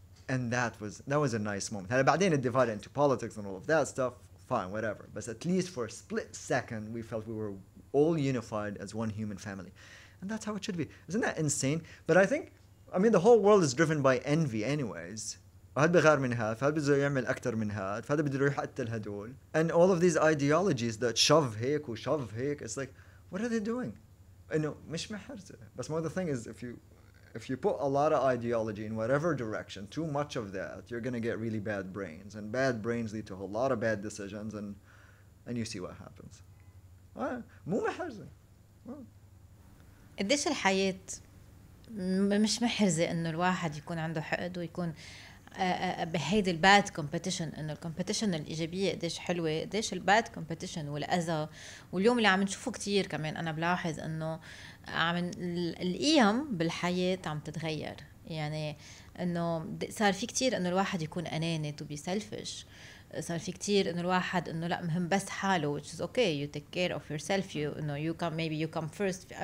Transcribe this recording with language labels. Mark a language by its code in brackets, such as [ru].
[en] And that was a nice moment. And then it divided into politics and all of that stuff. Fine, whatever. But at least for a split second, we felt we were all unified as one human family, and that's how it should be. Isn't that insane? But I think, I mean, the whole world is driven by envy, anyways. [ar] هاد بغار من هاد، فهاد بده يعمل أكتر من هاد، فهاد بده يروح يقتل هدول. [en] And all of these ideologies that shove [ar] هيك وشوف هيك, [en] it's like, what are they doing? You know, [ar] مش محرزة. [en] But more the thing is, if you put a lot of ideology in whatever direction, too much of that, you're gonna get really bad brains, and bad brains lead to a lot of bad decisions, and you see what happens. [ar] مو محرزة. قديش الحياة مش محرزة إنه الواحد يكون عنده حقد ويكون بهيد [en] الباد كومبيتيشن، [ar] انه الكومبيتيشن الايجابيه قديش حلوه، قديش الباد كومبيتيشن والاذى. واليوم اللي عم نشوفه كتير كمان انا بلاحظ انه عم القيم بالحياه عم تتغير، يعني انه صار في كتير انه الواحد يكون اناني [en] to be selfish, [ar] صار في كتير انه الواحد انه لا مهم بس حاله [en] which is okay you take care of yourself you know you come maybe you come first.